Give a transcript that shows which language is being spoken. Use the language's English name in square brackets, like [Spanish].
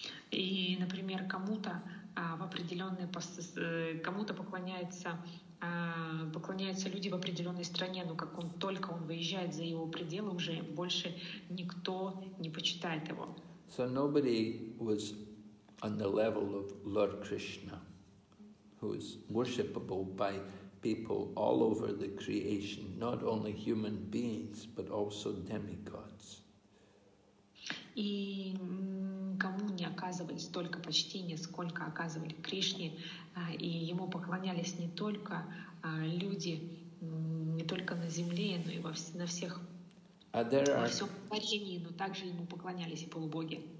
[Russian] И, например, кому-то поклоняется. Поклоняются люди в определенной стране, но как только он выезжает за его пределы, уже больше никто не почитает его. [English] So nobody was on the level of Lord Krishna, who is worshipable by people all over the creation, not only human beings, but also demigods. [Russian] И кому не оказывали столько почтения, сколько оказывали Кришне, и ему поклонялись не только люди, не только на земле, но и во всем творении, но также ему поклонялись и полубоги.